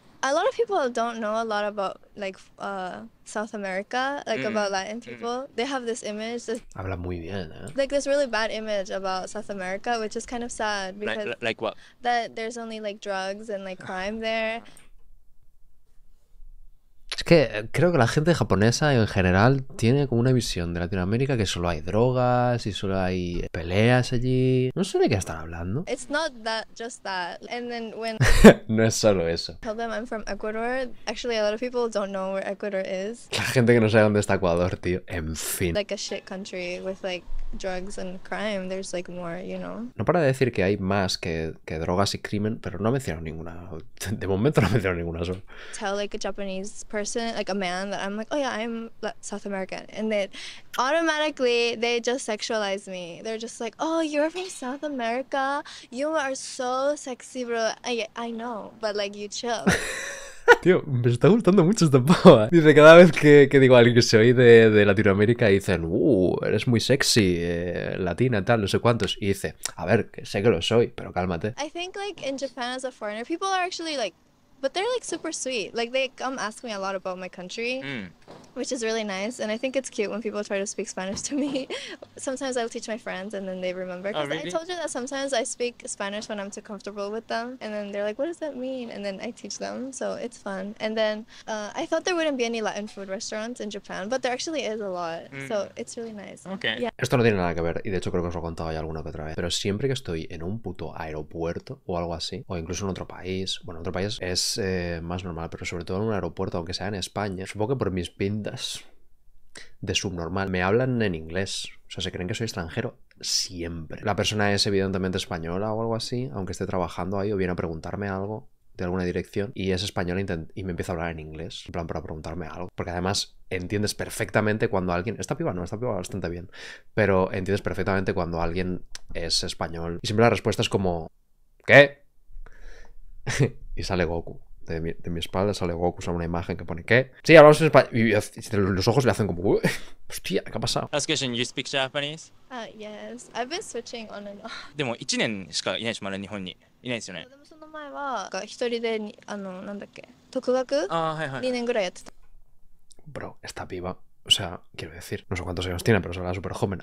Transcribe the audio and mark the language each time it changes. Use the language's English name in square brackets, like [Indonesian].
[English] A lot of people don't know a lot about like South America, like about Latin people. They have this image. [Spanish] Habla muy bien, eh? [English] Like this really bad image about South America, which is kind of sad because like what? That there's only like drugs and like crime there. [Spanish] Es que creo que la gente japonesa en general tiene como una visión de Latinoamérica que solo hay drogas y solo hay peleas allí. No sé de qué están hablando. [English] It's not that, just that. And then when [Spanish] no es solo eso. [English] Tell them I'm from Ecuador. Actually, a lot of people don't know where Ecuador is. [Spanish] La gente que no sabe dónde está Ecuador, tío. En fin. [English] Like a shit country with like drugs and crime. There's like more, you know. [Spanish] No para de decir que hay más que drogas y crimen, pero no mencionaron ninguna. De momento no mencionaron ninguna solo. [English] Tell like a Japanese person, like a man, that I'm like, oh yeah, I'm South American, and then automatically they just sexualize me. They're just like, oh, you're from South America, you are so sexy, bro. I know, but like, you chill. [Spanish] Tío, me está gustando mucho esta pava. Dice, cada vez que digo a alguien que se oye de Latinoamérica, dicen, eres muy sexy, latina, tal, no sé cuántos. Y dice, a ver, que sé que lo soy, pero cálmate. [English] I think like in Japan as a foreigner, people are actually like, but they're like super sweet. Like they come ask me a lot about my country, which is really nice. And I think it's cute when people try to speak Spanish to me. Sometimes I'll teach my friends and then they remember. Because I told you that sometimes I speak Spanish when I'm too comfortable with them. And then they're like, what does that mean? And then I teach them. So it's fun. And then I thought there wouldn't be any Latin food restaurants in Japan, but there actually is a lot. Mm. So it's really nice. Okay. [Spanish] Yeah. Esto no tiene nada que ver. Y de hecho creo que os lo he contado ya alguna que otra vez. Pero siempre que estoy en un puto aeropuerto o algo así, o incluso en otro país, bueno, en otro país es más normal, pero sobre todo en un aeropuerto, aunque sea en España, supongo que por mis pintas de subnormal, me hablan en inglés, o sea, se creen que soy extranjero siempre. La persona es evidentemente española o algo así, aunque esté trabajando ahí o viene a preguntarme algo de alguna dirección y es española y me empieza a hablar en inglés, en plan para preguntarme algo, porque además entiendes perfectamente cuando alguien, esta piba no, esta piba bastante bien, pero entiendes perfectamente cuando alguien es español y siempre la respuesta es como, ¿qué? Y sale Goku. De mi espalda sale Goku, sale una imagen que pone ¿qué? Sí, hablamos en español. Y los ojos le hacen como hostia, ¿qué ha pasado? [English] Last question, you speak Japanese? Yes, I've been switching on and off. [Japanese] Demo, 1年しかいないし、まだ日本にいないですよね。その前は、一人で、なんだっけ、独学2年ぐらいやってた。 [Spanish] Bro, esta piba, o sea, quiero decir, no sé cuántos años tiene, pero se habla súper joven.